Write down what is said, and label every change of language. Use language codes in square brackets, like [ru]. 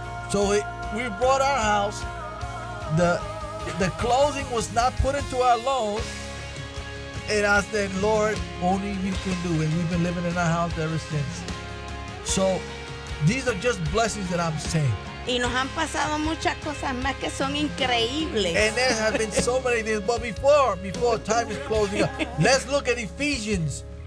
[en] So we brought our house. The closing was not put into our loan. And I said, Lord, only you can do it. We've been living in our house ever since. So these are just blessings that I'm saying. [es] Y nos han pasado muchas cosas más que son increíbles. [en] And there have been so many things. But before time is closing up, let's look at Ephesians.